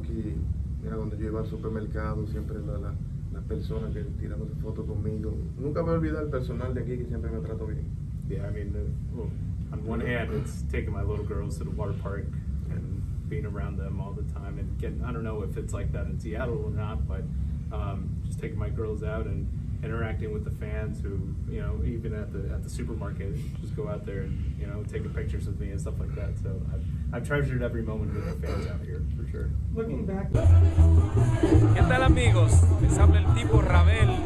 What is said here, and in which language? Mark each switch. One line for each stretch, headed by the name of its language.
Spanish: Aquí, mira, cuando yo iba al supermercado, siempre la persona que tirándose fotos conmigo. Nunca me olvido el personal de aquí que siempre me trató bien.
English: Yeah, I mean, on one hand, it's taking my little girls to the water park and being around them all the time. And getting, I don't know if it's like that in Seattle or not, but just taking my girls out and interacting with the fans who, you know, even at the supermarket, just go out there and, you know, take a picture with me and stuff like that. So I've treasured every moment with the fans out here, for sure. Looking back.
Spanish: ¿Qué tal, amigos? Les habla el tipo Ravel.